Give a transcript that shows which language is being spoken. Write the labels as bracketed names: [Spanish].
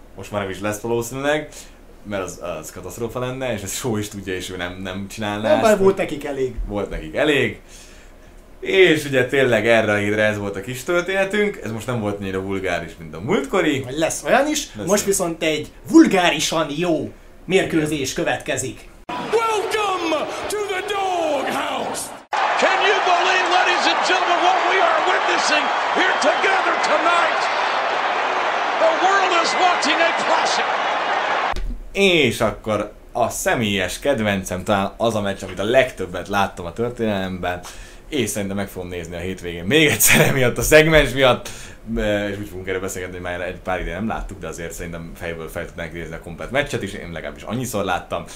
[Hungarian] Most már nem is lesz valószínűleg, mert az katasztrófa lenne, és ez Show is tudja, és ő nem csinálná ezt. Már volt nekik elég. És ugye tényleg erre a hídre ez volt a kis történetünk. Ez most nem volt annyira vulgáris, mint a múltkori. Lesz olyan is. Lesz most viszont egy vulgárisan jó mérkőzés következik. [English] Welcome to the Doghouse! Can you believe, ladies and gentlemen, what we are witnessing here together tonight? The world is watching a classic! [Hungarian] És akkor a személyes kedvencem talán az a meccs, amit a legtöbbet láttam a történelemben, és szerintem meg fogom nézni a hétvégén még egyszer emiatt, a szegmens miatt, és úgy fogunk erről beszélgetni, hogy már egy pár ideje nem láttuk, de azért szerintem fejből fel tudnánk nézni a komplet meccset is, én legalábbis annyiszor láttam.